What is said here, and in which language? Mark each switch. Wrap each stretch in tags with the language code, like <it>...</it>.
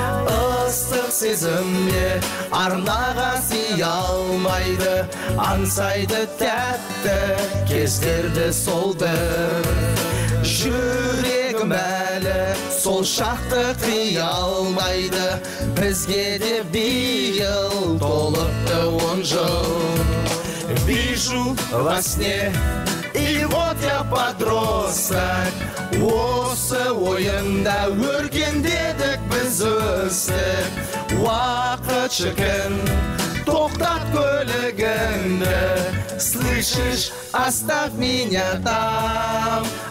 <kk>Ыстық сезімде арнаға сия алмайды, аңсайды тәтті кездерді солды. Жүрегім әлі сол шақты қия алмайды, бізге де биыл толыпты 10 жыл.</kk> <ru>Вижу во сне, и вот я подросток.</ru> <kk>Осы ойында өркендедік біз өстік. Уақыт шыкын, тоқтат көлігімді.</kk> <ru>Слышишь, оставь меня там.</ru>